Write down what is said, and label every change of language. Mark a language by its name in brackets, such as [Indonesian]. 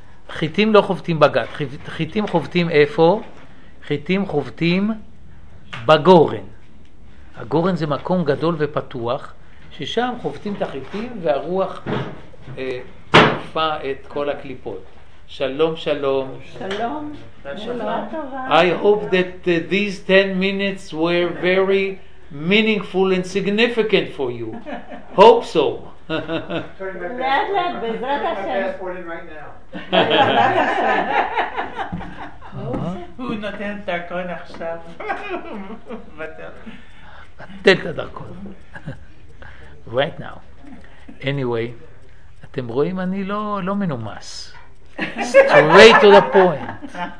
[Hebrew] חיטים לא חובטים בגת, חיטים חובטים איפה? חיטים חובטים בגורן. הגורן זה מקום גדול ופתוח, ששם חובטים את החיטים והרוח תקפה את כל הקליפות. שלום שלום. שלום. שלום. [English] I hope that these 10 minutes were very meaningful and significant for you. Hope so. Turning my passport in right now. [Hebrew] הוא נותן את הדרכון עכשיו. נותן את הדרכון. [English] Right now. [Hebrew] Anyway, אתם רואים, אני לא מנומס. [English] Straight to the point.